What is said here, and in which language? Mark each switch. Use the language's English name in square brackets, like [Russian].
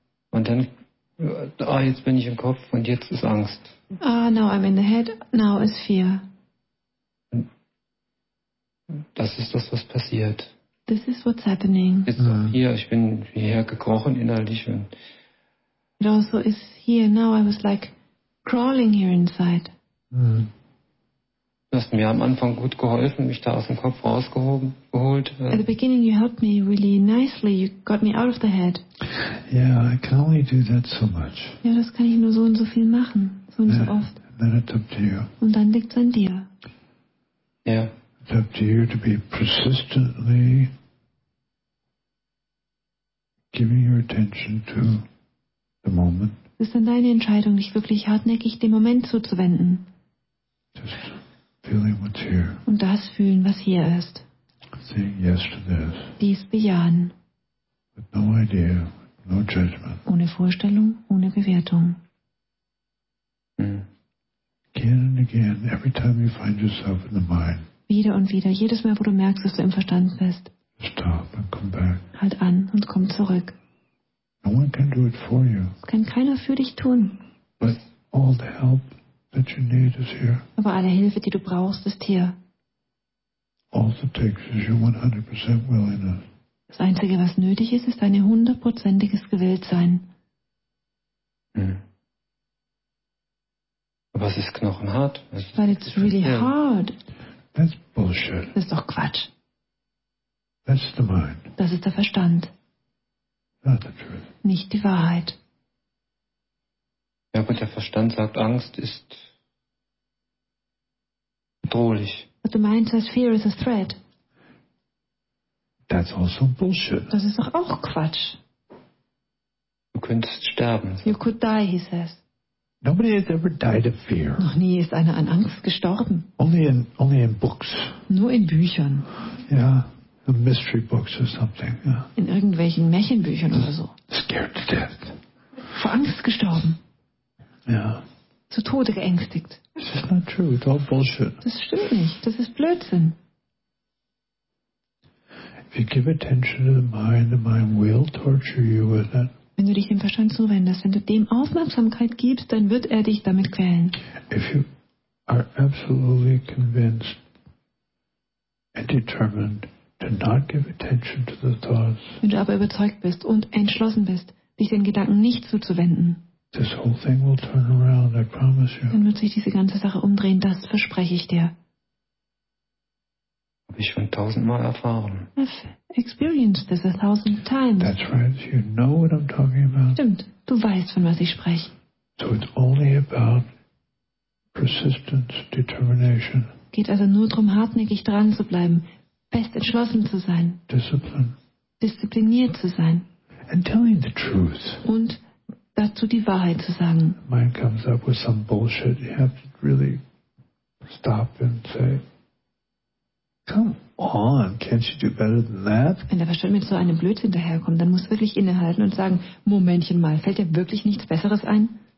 [German] Und dann, ah, jetzt bin ich im Kopf und jetzt ist Angst. [English] Ah, now I'm in the head, now is fear. [German] Das ist das, was passiert. [English] This is what's happening. [German] Hier, ich bin hierher gekrochen innerlich. Und [English] it also is here now. I was like crawling here inside. [German] Du hast mir am Anfang gut geholfen, mich da aus dem Kopf rausgeholt. [English] At the beginning you helped me really nicely. You got me out of the head. Yeah, I can only do that so much. [German] Ja, das kann ich nur so und so viel machen. So und so oft. [English] Then it's up to you. [German] Und dann liegt es an dir. Ja. Yeah. [English] It's up to you to be persistently giving your attention to the moment. [German] Es ist dann deine Entscheidung, dich wirklich hartnäckig dem Moment zuzuwenden. [English] Just feeling what's here. [German] Und das fühlen, was hier ist. [English] Saying yes to this. [German] Dies bejahen. [English] With no idea, no judgment. [German] Ohne Vorstellung, ohne Bewertung. [English] Again and again, every time you find yourself in the mind. [German] Wieder und wieder, jedes Mal, wo du merkst, dass du im Verstand bist. [English] Stop and come back. [German] Halt an und komm zurück. [English] No one can do it for you. [German] Es kann keiner für dich tun. [English] But all the help that you need is here. [German] Aber alle Hilfe, die du brauchst, ist hier. [English] Also takes is your 100% willingness. [German] Das Einzige, was nötig ist, ist dein hundertprozentiges Gewilltsein. Aber es ist knochenhart. [English] But it's really hard. That's bullshit. [German] Das ist doch Quatsch. [English] That's the mind. [German] Das ist der Verstand. [English] Not the truth. [German] Nicht die Wahrheit. Ja, aber der Verstand sagt, Angst ist bedrohlich. [English] But the mind says fear is a threat. That's also bullshit. [German] Das ist doch auch Quatsch. Du könntest sterben. [English] You could die, he says. Nobody has ever died of fear. [German] Noch nie ist einer an Angst gestorben. [English] Only in books. [German] Nur in Büchern. [English] Yeah, in mystery books or something. Yeah. [German] In irgendwelchen Märchenbüchern oder so. [English] Scared to death. [German] Vor Angst gestorben. [English] Yeah. [German] zu Tode geängstigt. [English] This is not true. It's all bullshit. [German] Das stimmt nicht. Das ist Blödsinn. [English] If you give attention to the mind will torture you with it. [German] Wenn du dich dem Verstand zuwendest, wenn du dem Aufmerksamkeit gibst, dann wird er dich damit quälen. [English] If you are absolutely convinced and determined to not give attention to the thoughts. [German] Wenn du aber überzeugt bist und entschlossen bist, dich den Gedanken nicht zuzuwenden. [English] This whole thing will turn around, I promise you. [German] Dann wird sich diese ganze Sache umdrehen, das verspreche ich dir. Habe ich schon tausendmal erfahren. [English] I've experienced this 1,000 times. That's right, you know what I'm talking about. [German] Stimmt, du weißt, von was ich spreche. [English] So it's only about persistence, determination. [German] Geht also nur darum, hartnäckig dran zu bleiben, fest entschlossen zu sein. [English] Discipline. [German] Diszipliniert zu sein. [English] And telling the truth. [German] Und dazu die Wahrheit zu sagen. [English] Mind comes up with some bullshit. You have to really stop and say, come on, can't you do better than that? [German] Wenn der Verstand mit so einem Blödsinn daherkommt, dann musst du wirklich innehalten und sagen, Momentchen mal, fällt dir wirklich nichts Besseres ein?